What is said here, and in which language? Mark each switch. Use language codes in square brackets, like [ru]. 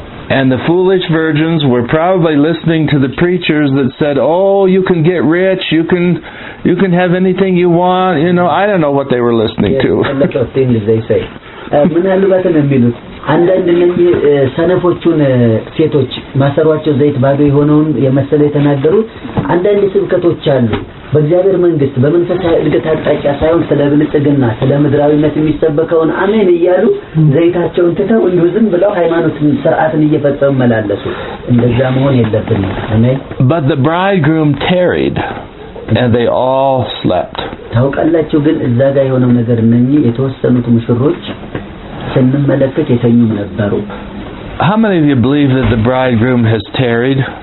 [en] And the foolish virgins were probably listening to the preachers that said, oh, you can get rich, you can have anything you want, you know, I don't know what they were listening to. [am] በእግዚአብሔር መንግስት በመንፈሳዊ እድገት አጣጫ ሳይሆን ስለብልጽግና ስለምድራዊነት የሚሰበከውን አሜን እያሉ ዘይታቸውን ትተው እንዲሁ ዝም ብለው ሃይማኖትን ስርዓትን እየፈጸሙ መላለሱ እንደዛ መሆን የለብንም አሜን [en] But the bridegroom tarried and they all slept. [am] ታውቃላችሁ ግን እዛ ጋር የሆነው ነገር ምን የተወሰኑት ሙሽሮች ስንመለከት የተኙም ነበሩ. [en] How many of you believe that the bridegroom has tarried?